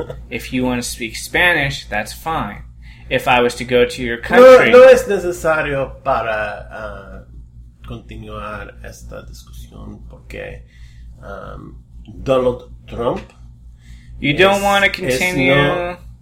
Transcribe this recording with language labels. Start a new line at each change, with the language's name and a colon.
English: If you want to speak Spanish, that's fine. If I was to go to your country...
Spanish: No es necesario para continuar esta discusión porque Donald Trump...
English: You don't want to continue...